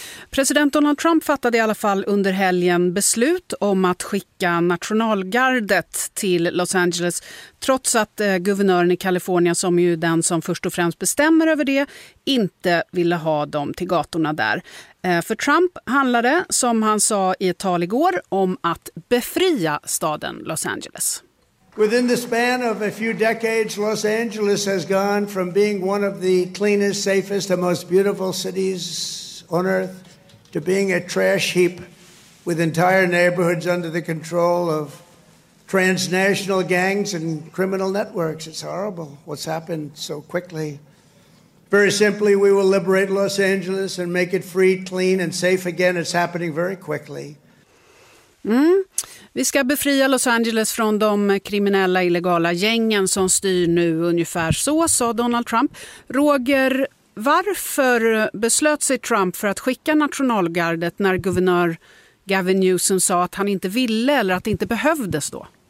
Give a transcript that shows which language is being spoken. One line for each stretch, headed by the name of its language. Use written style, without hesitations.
Swedish: President Donald Trump fattade i alla fall under helgen beslut om att skicka nationalgardet till Los Angeles, trots att guvernören i Kalifornien, som ju den som först och främst bestämmer över det, inte ville ha dem till gatorna där. För Trump handlade, som han sa i ett tal igår, om att befria staden Los Angeles.
English: Within the span of a few decades, Los Angeles has gone from being one of the cleanest, safest and most beautiful cities on earth to being a trash heap with entire neighborhoods under the control of transnational gangs and criminal networks. It's horrible what's happened so quickly. Very simply, we will liberate Los Angeles and make it free, clean and safe again. It's happening very quickly. Mm.
Swedish: Vi ska befria Los Angeles från de kriminella, illegala gängen som styr nu, ungefär så, sa Donald Trump. Roger, varför beslöt sig Trump för att skicka nationalgardet när guvernör Gavin Newsom sa att han inte ville eller att det inte behövdes då?